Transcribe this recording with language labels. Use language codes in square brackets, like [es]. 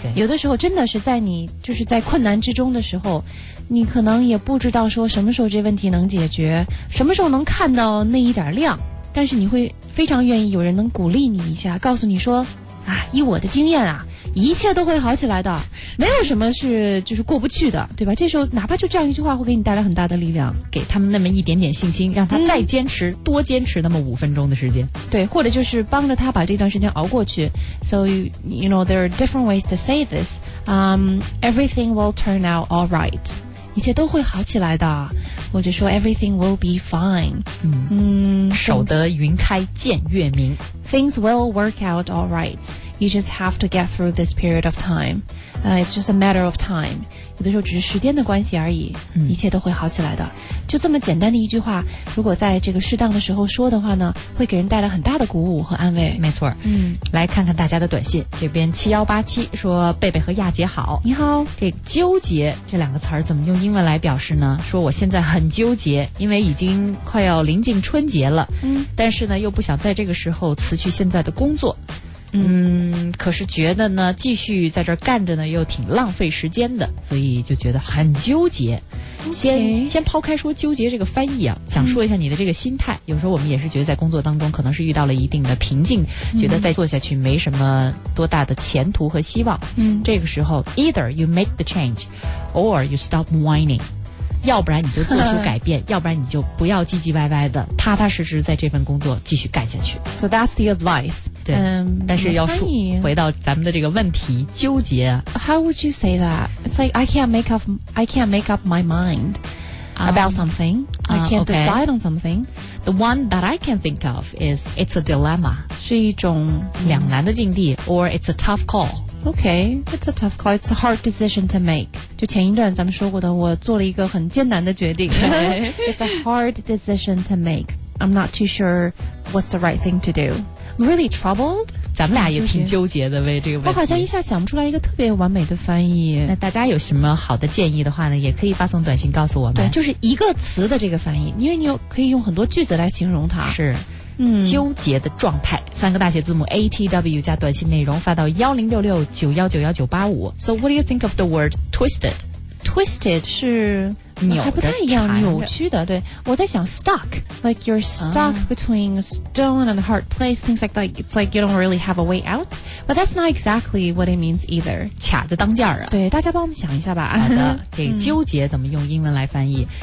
[zh] 有的时候真的是在你就是在困难之中的时候，你可能也不知道说什么时候这问题能解决，什么时候能看到那一点亮，但是你会非常愿意有人能鼓励你一下，告诉你说啊，以我的经验啊，一切都会好起来的，没有什么是就是过不去的，对吧？这时候哪怕就这样一句话会给你带来很大的力量，给他们那么一点点信心，让他再坚持多坚持那么五分钟的时间，对，或者就是帮着他把这段时间熬过去。 [en] So you know there are different ways to say this. Everything will turn out all right. [zh] 一切都会好起来的，或者说 [en] everything will be fine. [zh] 守得云开见月明。 [en] Things will work out all right. You just have to get through this period of time. It's just a matter of time. [zh] 有的时候只是时间的关系而已，一切都会好起来的。就这么简单的一句话，如果在这个适当的时候说的话呢，会给人带来很大的鼓舞和安慰。没错。来看看大家的短信，这边7187说，贝贝和亚姐好。你好。这纠结这两个词儿怎么用英文来表示呢？说我现在很纠结，因为已经快要临近春节了，但是呢又不想在这个时候辞去现在的工作。可是觉得呢继续在这干着呢又挺浪费时间的，所以就觉得很纠结。先抛开说纠结这个翻译啊，想说一下你的这个心态。有时候我们也是觉得在工作当中可能是遇到了一定的瓶颈，觉得再做下去没什么多大的前途和希望。这个时候 [en] either you make the change or you stop whining， [zh] 要不然你就做出改变，要不然你就不要唧唧歪歪的，踏踏实实在这份工作继续干下去。 [en] So that's the advice. [zh] 对，但是要说回到咱们的这个问题，纠结。 [en] How would you say that? It's like I can't make up my mind about something. I can't decide on something. The one that I can think of is it's a dilemma. [zh] 是一种两难的境地， [en] or it's a tough call. Okay, it's a tough call. It's a hard decision to make. 就前一段咱们说过的，我做了一个很艰难的决定。 It's a hard decision to make. I'm not too sure what's the right thing to do. Really troubled? [zh] 咱们俩也挺纠结的，为这个问题。我好像一下想不出来一个特别完美的翻译。那大家有什么好的建议的话呢，也可以发送短信告诉我们。对，就是一个词的这个翻译，因为你有可以用很多句子来形容它。是。纠结的状态，三个大写字母 ATW 加短信内容发到10669199985。 [en] So what do you think of the word twisted? [zh] Twisted 是扭的，还不太一样，扭曲的。对，我在想 [en] stuck, like you're stuck between a stone and a hard place, things like that. It's like you don't really have a way out, but that's not exactly what it means either. [zh] 卡在当间儿啊。对，大家帮我们想一下吧。好的，这个纠结怎么用英文来翻译？